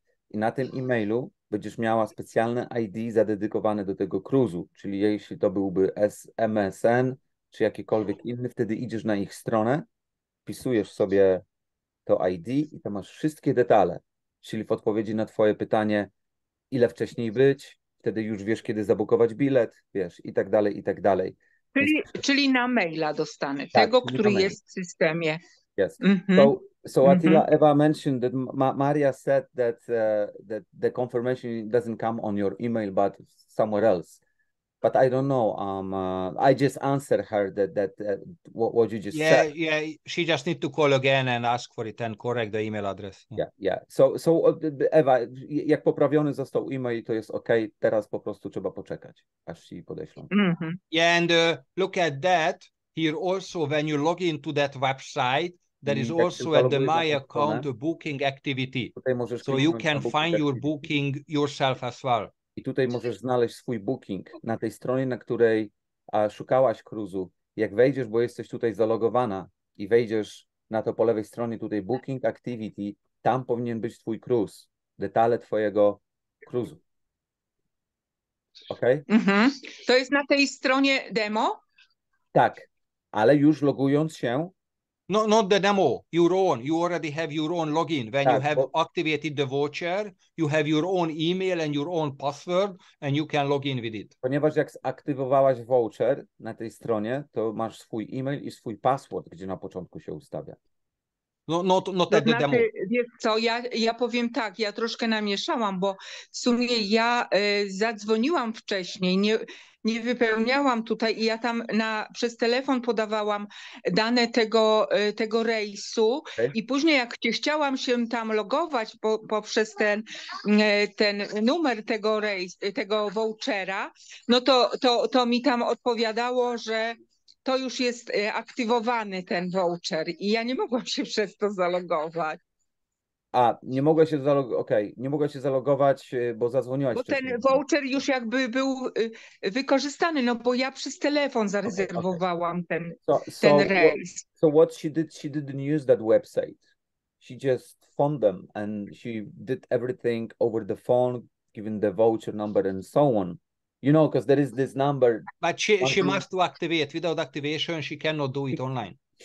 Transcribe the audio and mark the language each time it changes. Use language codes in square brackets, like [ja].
[pl] I na tym e-mailu będziesz miała specjalne ID zadedykowane do tego cruise'u, czyli jeśli to byłby MSN czy jakikolwiek inny, wtedy idziesz na ich stronę, wpisujesz sobie to ID i tam masz wszystkie detale, czyli w odpowiedzi na twoje pytanie, ile wcześniej być, wtedy już wiesz, kiedy zabukować bilet, wiesz, i tak dalej, i tak dalej. Czyli na maila dostanę, tak, tego, który jest w systemie. [en] Yes. Mm-hmm. So Attila, mm-hmm. Eva mentioned that Maria said that that the confirmation doesn't come on your email, but somewhere else. But I don't know. I just answered her what you just said. Yeah. She just need to call again and ask for it and correct the email address. Yeah. [pl] So Eva, jak poprawiony został e-mail, to jest okay. Teraz po prostu trzeba poczekać, aż ci podeślą. Mm-hmm. [en] Yeah, and look at that. Here also, when you log into that website, there is also at the My Account booking activity. So you can find your booking yourself as well. [pl] I tutaj możesz znaleźć swój booking na tej stronie, na której szukałaś cruise'u. Jak wejdziesz, bo jesteś tutaj zalogowana i wejdziesz na to po lewej stronie tutaj booking activity, tam powinien być twój cruise, detale twojego cruise'u. [en] Okay? Mm-hmm. [pl] To jest na tej stronie demo? Tak, ale już logując się... [en] No, not the demo, your own. You already have your own login. When you have activated the voucher, you have your own email and your own password, and you can log in with it. [pl] Ponieważ jak zaktywowałaś voucher na tej stronie, to masz swój e-mail i swój password, gdzie na początku się ustawia. [en] No, not, not to at the demo. [pl] Wiesz co, ja powiem tak, ja troszkę namieszałam, bo w sumie ja zadzwoniłam wcześniej, nie wypełniałam tutaj i ja tam przez telefon podawałam dane tego rejsu i później jak chciałam się tam logować poprzez ten numer tego vouchera, no to mi tam odpowiadało, że to już jest aktywowany ten voucher i ja nie mogłam się przez to zalogować. A, nie mogę się zalogować, okej, okay. Nie mogę się zalogować, bo zadzwoniłaś bo wcześniej. Bo ten voucher już jakby był wykorzystany, no bo ja przez telefon zarezerwowałam ten rejs. [en] So what she did, she didn't use that website. She just phoned them and she did everything over the phone, giving the voucher number and so on. You know, because there is this number. But she must to activate. Without activation, she cannot do it online.